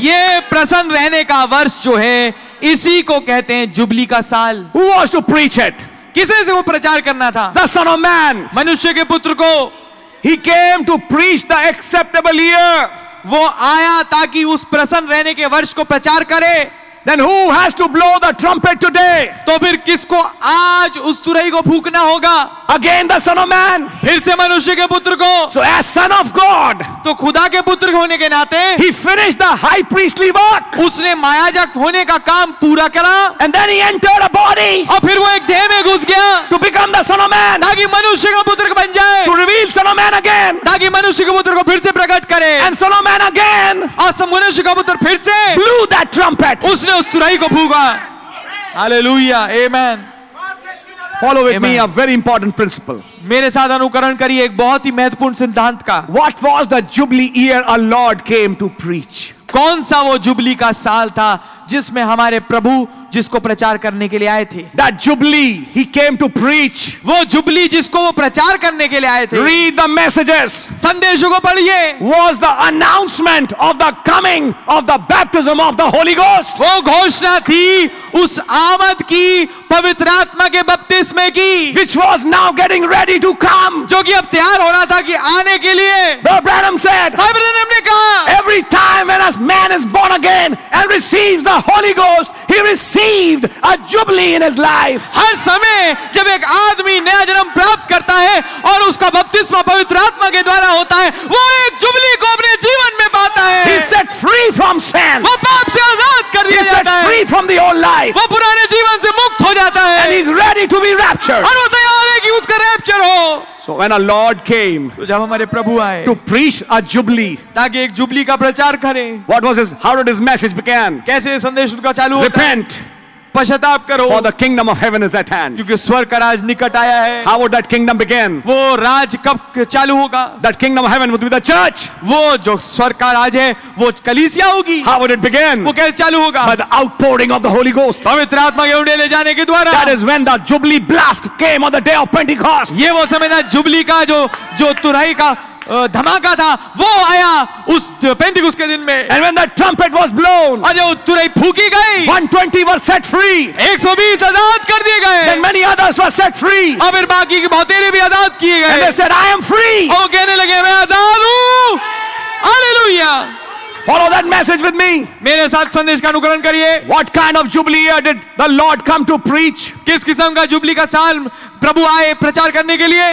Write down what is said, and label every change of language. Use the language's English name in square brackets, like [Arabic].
[Hindi] ये प्रसन्न रहने का वर्ष जो है इसी को कहते हैं जुबली का साल [English] who was to preach it [Hindi] किसे से वो प्रचार करना था [English] the son of man [Hindi] मनुष्य के पुत्र को [English] he came to preach the acceptable year [Hindi] वो आया ताकि उस प्रसन्न रहने के वर्ष को प्रचार करे [English] Then who has to blow the trumpet today? [Hindi] तो फिर किसको आज उस तुरही को फूंकना होगा? [English] Again the son of man. [Hindi] फिर से मनुष्य के पुत्र को. [English] So as son of God. [Hindi] तो खुदा के पुत्र होने के नाते. [English] He finished the high priestly work. [Hindi] उसने मायाजक होने का काम पूरा करा. [English] And then he entered a body. [Hindi] और फिर वो एक देह में घुस गया. [English] To become the son of man. [Hindi] ताकि मनुष्य का पुत्र बन जाए. [English] To reveal son of man again. [Hindi] ताकि मनुष्य के पुत्र को फिर से प्रकट करे. [English] And son of man again. [Hindi] और मनुष्य का पुत्र फिर से. [English] Blew that trumpet. [Hindi] उसने उस तुरही को फूंका. Hallelujah. Amen. [English] Follow with Amen. me a very important principle. [Hindi] मेरे साथ अनुकरण करिए एक बहुत ही महत्वपूर्ण सिद्धांत का. [English] What was the jubilee year our Lord came to preach? [Hindi] कौन सा वो जुबली का साल था जिसमें हमारे प्रभु जिसको प्रचार करने के लिए आए थे? [English] That jubilee he came to preach. [Hindi] वो जुबली जिसको वो प्रचार करने के लिए आए थे. [English] Read the messages. [Hindi] संदेशों को पढ़िए. [English] Was the announcement of the coming of the baptism of the Holy Ghost. [Hindi] वो घोषणा थी उस आमद की पवित्र आत्मा के बपतिस्मे की. [English] Which was now getting ready to come. [Hindi] जो कि अब तैयार हो रहा था कि आने के लिए. [English] Brother Branham said. [Hindi] भाई ब्रैनम ने कहा. [English] Every time when a man is born again and receives the Holy Ghost, he received a jubilee in his life. [Hindi] हर समय जब एक आदमी नया जन्म प्राप्त करता है और उसका बपतिस्मा पवित्र आत्मा के द्वारा होता है, वो एक जुबली को अपने जीवन में पाता है. [English] He set free from sin. [Hindi] वो पाप से आजाद कर दिया जाता है. [English] He set free from the old life. [Hindi] वो पुराने जीवन से मुक्त हो जाता है. [English] And he's ready to be raptured. [Hindi] और वो तैयार है कि उसका रैप्चर हो. [English] So when our Lord came, [Hindi] तो जब हमारे प्रभु आए, [English] to preach a jubilee, [Hindi] ताकि एक जुबली का प्रचार करें, [English] what was his, how did his message began? [Hindi] कैसे संदेश उनका चालू होता? [English] Repent, [Hindi] पश्चाताप करो, [English] for the kingdom of heaven is at hand. [Hindi] क्योंकि स्वर्ग का राज निकट आया है. [English] How would that kingdom begin? [Hindi] वो राज कब चालू होगा? [English] That kingdom of heaven would be the church. [Hindi] वो जो स्वर्ग का राज है, वो कलीसिया होगी. [English] How would it begin? [Hindi] वो कैसे चालू होगा? [English] By the outpouring of the Holy Ghost. [Hindi] पवित्र आत्मा के उंडेल ले जाने के द्वारा. [English] That is when the jubilee blast came on the day of Pentecost. [Hindi] ये वो समय था जुबली का जो तुरही का धमाका था वो आया उस पेंटिकॉस्ट के दिन में. [English] And when the trumpet was blown, [Hindi] और जब तुरही फूकी गई, [English] 120 were set free, [Hindi] 120 आजाद कर दिए गए. [English] Then many others were set free, [Hindi] और फिर बाकी के बहुत सारे भी आजाद किए गए. [English] And they said, I am free, [Hindi] और कहने लगे मैं आजाद हूँ. Hallelujah. [English] Follow that message with me. [Hindi] मेरे साथ संदेश का अनुकरण करिए. [English] What kind of jubilee did the Lord come to preach? [Hindi] किस किस्म का जुबली का साल प्रभु आए प्रचार करने के लिए?